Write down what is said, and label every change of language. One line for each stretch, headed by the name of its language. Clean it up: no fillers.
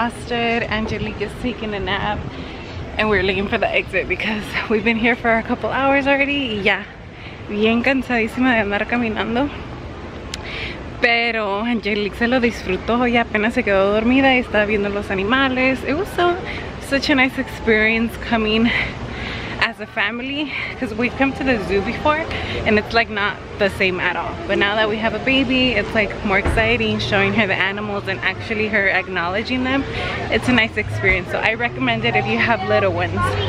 English: Angelique is taking a nap and we're looking for the exit because we've been here for a couple hours already.
Spanish: Yeah, bien cansadísima de andar caminando, pero Angelique se lo disfrutó y apenas se quedó dormida y estaba viendo los animales.
English: It was so such a nice experience coming as a family because we've come to the zoo before and it's like not the same at all, but now that we have a baby it's like more exciting showing her the animals and actually her acknowledging them. It's a nice experience, so I recommend it if you have little ones.